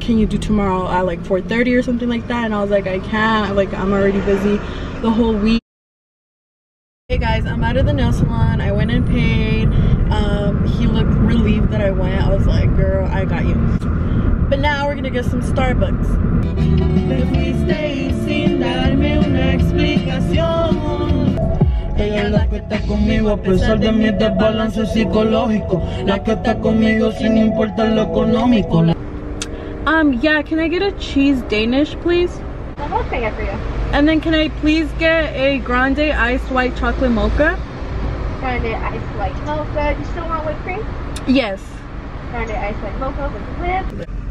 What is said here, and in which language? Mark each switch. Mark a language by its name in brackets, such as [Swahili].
[English] Can you do tomorrow at like 4:30 or something like that? And I was like, I can't. Like, I'm already busy the whole week. Hey guys, I'm out of the nail salon. I went and paid. He looked relieved that I went. I was like, girl, I got you. But now we're gonna get some Starbucks. If we stay [Spanish] sin darme una explicación, ella es la que está conmigo a pesar de mi desbalance psicológico, la que está conmigo sin importar lo económico. [English] Yeah, can I get a cheese Danish, please? The whole thing for you. And then can I please get a grande iced white chocolate mocha? Grande iced white mocha. Do you still want whipped cream? Yes. Grande iced white mocha with whip.